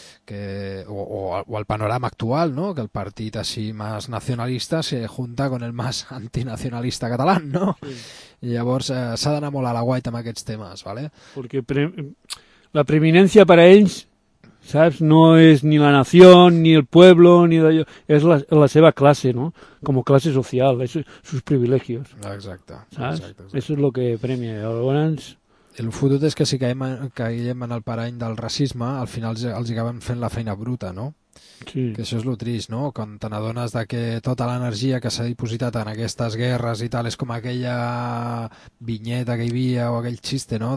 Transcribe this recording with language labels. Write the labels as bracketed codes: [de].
[ca] Que, o el panorama actual, no? Que el partit així més nacionalista se junta con el més antinacionalista català, no? Sí. I llavors s'ha d'anar molt a la guaita amb aquests temes, ¿vale? Porque la preeminència per a ells, ¿sabes? [es] No es ni la nación, ni el pueblo, ni de... es la seva clase, ¿no? Como clase social, eso, sus privilegios. [ca] Exacte. [es] ¿Sabes? Exacte. Eso es lo que premia. Llavors... [ca] El fotut és que si caiem en el parany del racisme, al final els acaben fent la feina bruta, no? Sí. Que això és lo trist, no? Quan te n'adones que tota l'energia que s'ha dipositat en aquestes guerres i tal, és com aquella vinyeta que hi havia o aquell xiste, no?